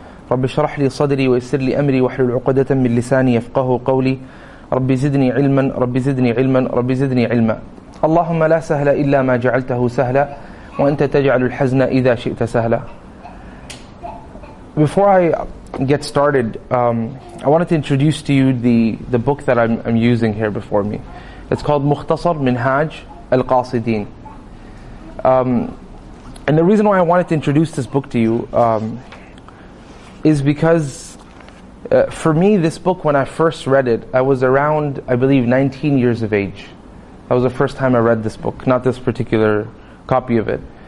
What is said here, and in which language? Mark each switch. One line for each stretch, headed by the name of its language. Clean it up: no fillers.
Arabic: رب اشرح لي صدري ويسر لي امري واحلل عقدة من لساني يفقهوا قولي ربي زدني علما ربي زدني علما ربي زدني علما اللهم لا سهل الا ما جعلته سهلا وانت تجعل الحزن اذا شئت سهلا.
English: Before I get started, I wanted to introduce to you the book that I'm using here before me. It's called مختصر منهاج القاصدين. And the reason why I wanted to introduce this book to you is because for me, this book, when I first read it, I was around, I believe, 19 years of age. That was the first time I read this book, not this particular copy of it.